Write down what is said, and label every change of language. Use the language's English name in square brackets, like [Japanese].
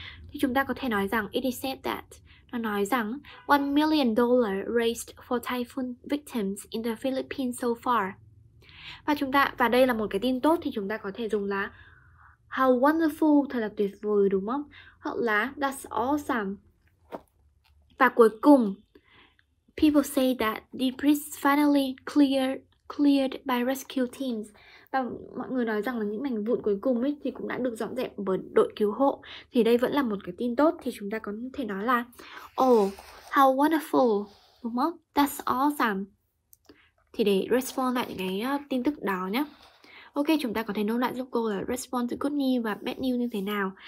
[Vietnamese] Thì chúng ta có thể nói rằng [English] it is said that, [Vietnamese] nó nói rằng [English] $1 million raised for typhoon victims in the Philippines so far. [Vietnamese] Và đây là một cái tin tốt, thì chúng ta có thể dùng là [English] how wonderful, [Vietnamese] thật là tuyệt vời, đúng không? Hoặc là [English] that's awesome. [Vietnamese] Và cuối cùng, [English] people say that debris finally cleared by rescue teams. [Vietnamese] Và mọi người nói rằng là những mảnh vụn cuối cùng ấy thì cũng đã được dọn dẹp bởi đội cứu hộ. Thì đây vẫn là một cái tin tốt, thì chúng ta có thể nói là [English] oh, how wonderful, [Vietnamese] đúng không? [English] That's awesome. [Vietnamese] thì để respond lại cái tin tức đó nhé. Ok, chúng ta có thể nốt lại giúp cô là [English] respond to good news [Vietnamese] và [English] bad news [Vietnamese] như thế nào.